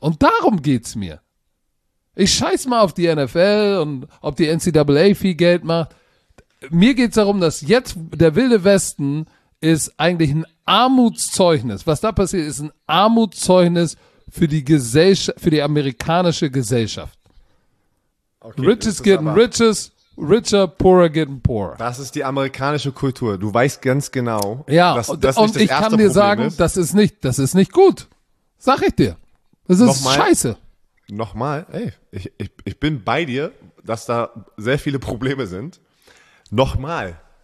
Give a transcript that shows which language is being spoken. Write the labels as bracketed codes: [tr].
[de] Und darum geht's mir. Ich scheiß mal auf die NFL und ob die NCAA viel Geld macht. Mir geht's darum, dass jetzt der Wilde Westen ist eigentlich ein Armutszeugnis. Was da passiert, ist ein Armutszeugnis für die Gesellschaft, für die amerikanische Gesellschaft. [en] Okay, riches getting riches, richer, poorer getting poorer. [de] Das ist die amerikanische Kultur. Du weißt ganz genau, ja, dass das nicht das erste Problem ist. Ich kann dir sagen, das ist nicht gut. Sag ich dir. Das ist nochmal, scheiße. Nochmal, ey, ich bin bei dir, dass da sehr viele Probleme sind. Nochmal.